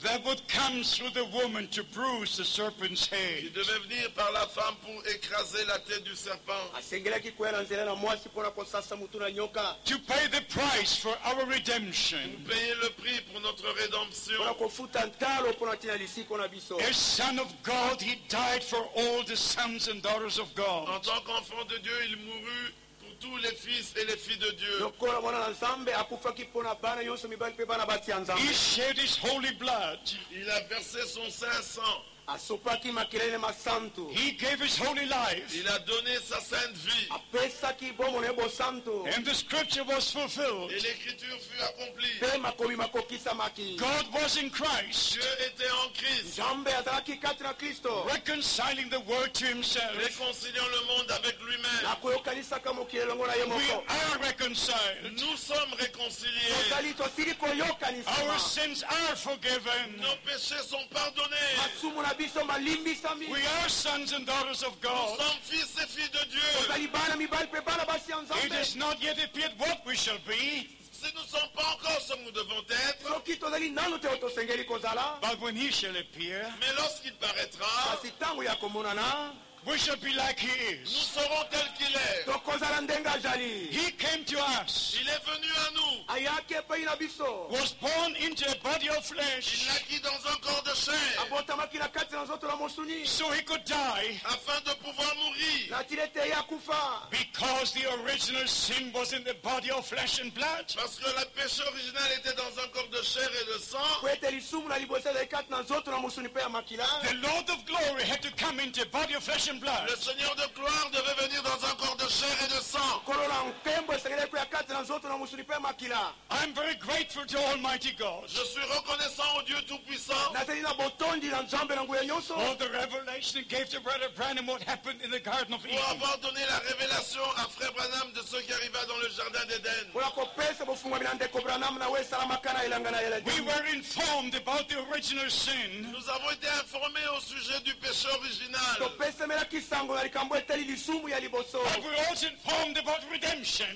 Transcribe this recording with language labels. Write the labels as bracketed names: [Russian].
[English] That would come through the woman to bruise the serpent's head. [French] Qui devait venir par la femme pour écraser la tête du serpent. [English] To pay the price for our redemption. [French] Pour payer le prix pour notre rédemption. [English] As son of God, he died for all the sons and daughters of God. [French] En tant qu'enfant de Dieu, il mourut pour tous les fils et les filles de Dieu. [English] He shed his holy blood. [French] Il a versé son saint sang. [English] He gave his holy life. [French] Il a donné sa sainte vie. [English] And the scripture was fulfilled. [French] Et l'écriture fut accomplie. [English] God was in Christ. [French] Dieu était en Christ. [English] Reconciling the world to himself. [French] Réconciliant le monde avec lui-même. [English] We are reconciled. [French] Nous sommes réconciliés. [English] Our sins are forgiven. [French] Nos péchés sont pardonnés. [English] We are sons and daughters of God. [French] Nous sommes fils et filles de Dieu. [English] It has not yet appeared what we shall be. [French] Si nous ne sommes pas encore ce que nous devons être. [English] But when he shall appear. [French] Mais lorsqu'il paraîtra. Si tant qu'il y a comme on en a. [English] We shall be like he is. [French] Nous serons tels qu'il est. [English] He came to us. [French] Il est venu à nous. [English] Was born into a body of flesh. [French] Il naquit dans un corps de chair. [English] So he could die. [French] Afin de pouvoir mourir. [English] Because the original sin was in the body of flesh and blood. [French] Parce que le péché original était dans un corps de chair et de sang. [English] The Lord of glory had to come into a body of flesh and blood. and blood. [French] Le Seigneur de gloire devait venir dans un corps de chair et de sang. [English] I'm very grateful to Almighty God. [French] Je suis reconnaissant au Dieu Tout-Puissant. [English] For the revelation gave to Brother Branham what happened in the Garden of Eden. [French] Pour avoir donné la révélation à Frère Branham de ce qui arriva dans le Jardin d'Éden. [English] We were informed about the original sin. [French] Nous avons été informés au sujet du péché original. [English] But we're also informed about redemption.